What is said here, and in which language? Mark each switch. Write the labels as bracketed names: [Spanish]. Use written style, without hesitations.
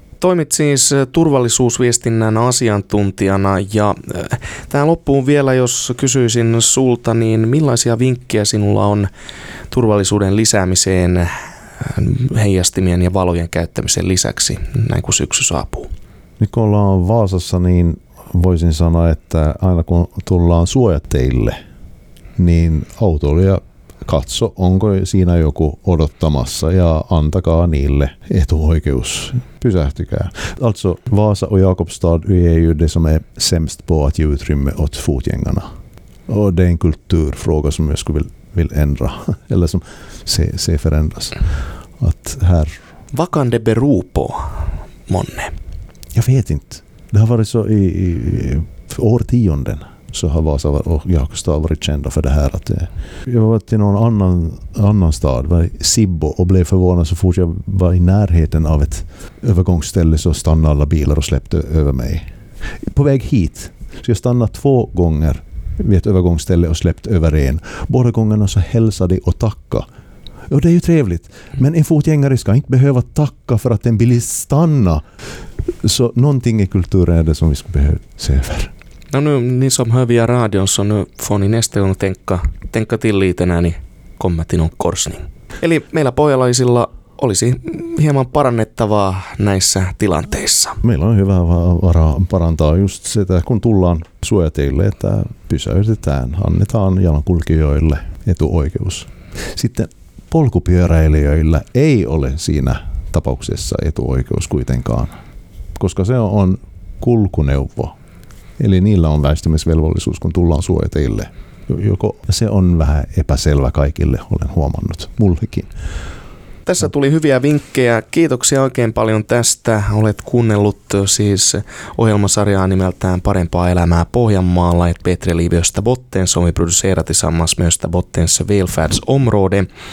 [Finnish] Toimit siis turvallisuusviestinnän asiantuntijana ja tähän loppuun vielä, jos kysyisin sulta, niin millaisia vinkkejä sinulla on turvallisuuden lisäämiseen heijastimien ja valojen käyttämisen lisäksi, näin kun syksy saapuu? Nyt kun ollaan Vaasassa, niin voisin sanoa, että aina kun tullaan suojateille, niin autoilija katso, onko siinä joku odottamassa ja antakaa niille etuoikeus. Pysähtykää. [Swedish] Alltså, Vaasa och Jakobstad är ju det som är sämst på att ge utrymme åt fotgängarna. Och det är en kulturfråga som jag skulle vill ändra, eller som se förändras. Att här... Vad kan det bero på, månne? Jag vet inte. Det har varit så i årtionden så har Vasa och Jakobstad varit kända för det här. Att jag var till någon annan stad, var Sibbo, och blev förvånad så fort jag var i närheten av ett övergångsställe så stannade alla bilar och släppte över mig. På väg hit så jag stannade 2 gånger vid ett övergångsställe och släppt över en. Båda gångerna så hälsade och tackade. Och det är ju trevligt. Men en fotgängare ska inte behöva tacka för att en bilist stanna. Så någonting i kulturen är det som vi ska behöva se över. No nu, ni som hör via radion så nu får ni nästa gång tänka till lite när ni kommer till någon korsning. [Finnish] Eli meillä pohjalaisilla olisi hieman parannettavaa näissä tilanteissa. Meillä on hyvä varaa parantaa just sitä, kun tullaan suojateille, että pysäytetään, annetaan jalankulkijoille etuoikeus. Sitten polkupyöräilijöillä ei ole siinä tapauksessa etuoikeus kuitenkaan, koska se on kulkuneuvo. Eli niillä on väistymisvelvollisuus, kun tullaan suojateille. Joko se on vähän epäselvä kaikille, olen huomannut, mullekin. Tässä tuli hyviä vinkkejä. Kiitoksia oikein paljon tästä. Olet kuunnellut siis ohjelmasarjaa nimeltään Parempaa elämää Pohjanmaalla. [Swedish] Petri Liiviöstä Bottens, som vi producerar tillsammans med Östa Bottens välfärdsområde.